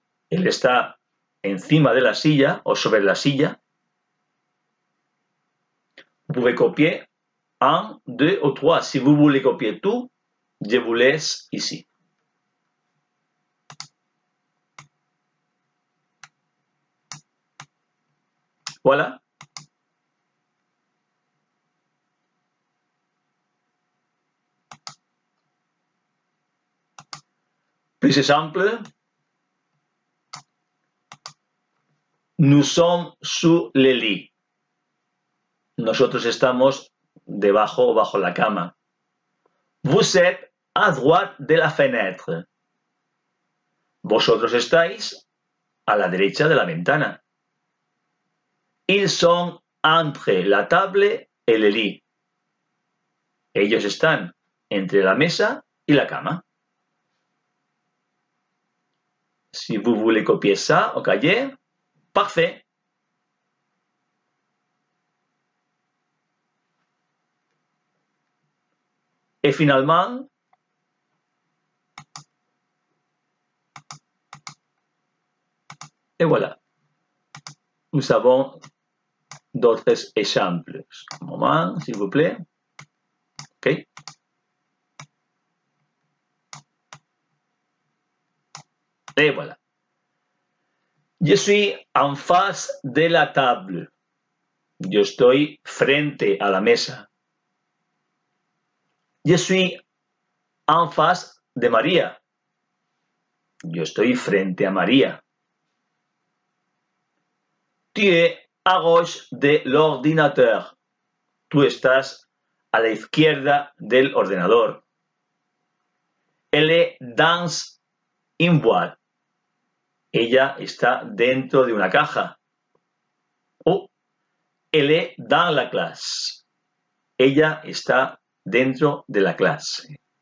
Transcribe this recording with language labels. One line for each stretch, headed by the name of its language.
Spanish: Él está encima de la silla o sobre la silla.
French: Vous pouvez copier un, deux ou trois. Si vous voulez copier tout, je vous laisse ici. Voilà. Plus simple. Nous sommes sous le lit.
Spanish: Nosotros estamos debajo o bajo la cama.
French: Vous êtes à droite de la fenêtre.
Spanish: Vosotros estáis a la derecha de la ventana.
French: Ils sont entre la table et le lit.
Spanish: Ellos están entre la mesa y la cama.
French: Si vous voulez copier ça o cahier, parfait. Et finalement, et voilà. Nous avons d'autres exemples. Un moment, s'il vous plaît. OK. Et voilà. Je suis en face de la table.
Spanish: Yo estoy frente a la mesa.
French: Je suis en face de María.
Spanish: Yo estoy frente a María.
French: Tu es à gauche de l'ordinateur.
Spanish: Tú estás a la izquierda del ordenador.
French: Elle danse in boîte.
Spanish: Ella está dentro de una caja.
French: Elle est dans la classe.
Spanish: Ella está dentro de la clase.